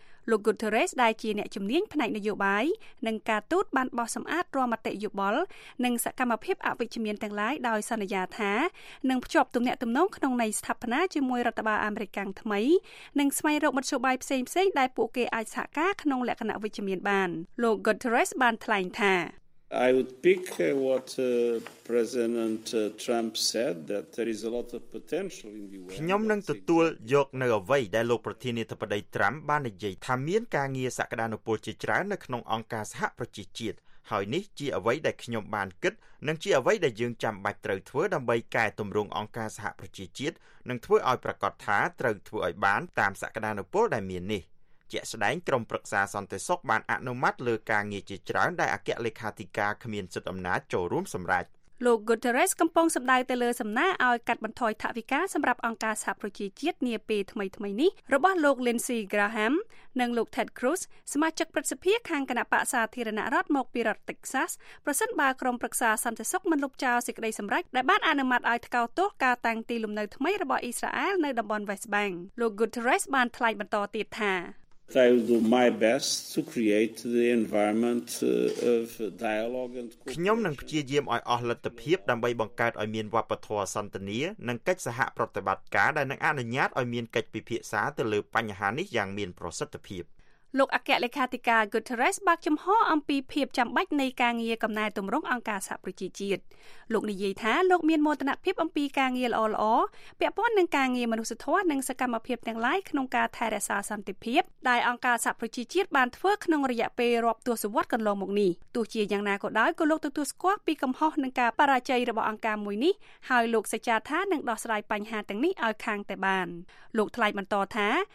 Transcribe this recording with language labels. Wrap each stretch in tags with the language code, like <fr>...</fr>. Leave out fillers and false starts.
<km>លោក Guterres ដែលជាអ្នកជំនាញផ្នែកនយោបាយនិងការទូតបានបោះសម្អាតរាល់មតិយោបល់និងសកម្មភាពអវិជ្ជមានទាំងឡាយដោយសន្យាថានឹងភ្ជាប់ទំនាក់ទំនងក្នុងនៃស្ថាបនាជាមួយរដ្ឋបាលអាមេរិកកាំងថ្មីនិងស្វែងរកមធ្យោបាយផ្សេងៗដែលពួកគេអាចសហការក្នុងលក្ខណៈវិជ្ជមានបានលោក Guterres បានថ្លែងថា</km> <en>I would pick what President Trump said that there is a lot of potential in the world.</en> <km>ខ្ញុំនឹងទទួលយកនៅអ្វីដែលលោកប្រធានាធិបតី Trump បាននិយាយថាមានការងារសក្តានុពលជាច្រើននៅក្នុងអង្គការសហប្រជាជាតិហើយនេះជាអ្វីដែលខ្ញុំបានគិតនិងជាអ្វីដែលយើងចាំបាច់ត្រូវធ្វើដើម្បីកែតម្រង់អង្គការសហប្រជាជាតិនិងធ្វើឲ្យប្រកបថាត្រូវធ្វើឲ្យបានតាមសក្តានុពលដែលមាននេះជាស្ដែងក្រុមប្រឹក្សាសន្តិសុខបានអនុម័តលើការងារជាច្រើនដែលអគ្គលេខាធិការគ្មានសិទ្ធិអំណាចចូលរួមសម្រេច លោក Guterres កំពុងសម្ដៅទៅលើសំណើឲ្យកាត់បន្ថយថវិកាសម្រាប់អង្គការសហប្រជាជាតិនាពេលថ្មីៗនេះរបស់លោក Lindsey Graham និងលោក Ted Cruz សមាជិកព្រឹទ្ធសភាខាងគណៈបក្សសាធារណរដ្ឋមកពីរដ្ឋ Texas ប្រសិនបើក្រុមប្រឹក្សាសន្តិសុខមិនលុបចោលសេចក្តីសម្រេចដែលបានអនុម័តឲ្យថ្កោលទោសការតាំងទីលំនៅថ្មីរបស់អ៊ីស្រាអែលនៅតំបន់ West Bank លោក Guterres បានថ្លែងបន្តទៀតថា</km> <en>I will do my best to create the environment of dialogue and cooperation.</en> <km>ខ្ញុំនឹងព្យាយាមឲ្យអស់លទ្ធភាពដើម្បីបង្កើតឲ្យមានវប្បធម៌សន្តិនិកនិងកិច្ចសហប្រតិបត្តិការដែលនឹងអនុញ្ញាតឲ្យមានកិច្ចពិភាក្សាទៅលើបញ្ហានេះយ៉ាងមានប្រសិទ្ធភាព លោកអគ្គលេខាធិការ Guterres បានចំហអំពីភាពចាំបាច់នៃការងារកំណែទម្រង់អង្គការសហប្រជាជាតិលោកនិយាយថាលោកមានមោទនភាពអំពីការងារល្អៗពាក់ព័ន្ធនឹងការងារមនុស្សធម៌និងសកម្មភាពទាំងឡាយក្នុងការថែរក្សាសន្តិភាពដែលអង្គការសហប្រជាជាតិបានធ្វើក្នុងរយៈពេលរាប់ទសវត្សរ៍កន្លងមកនេះទោះជាយ៉ាងណាក៏ដោយក៏លោកទទួលស្គាល់ពីកំហុសនឹងការបរាជ័យរបស់អង្គការមួយនេះហើយលោកសច្ចាថានឹងដោះស្រាយបញ្ហាទាំងនេះឲ្យខាងតែបានលោកថ្លែងបន្តថា</km>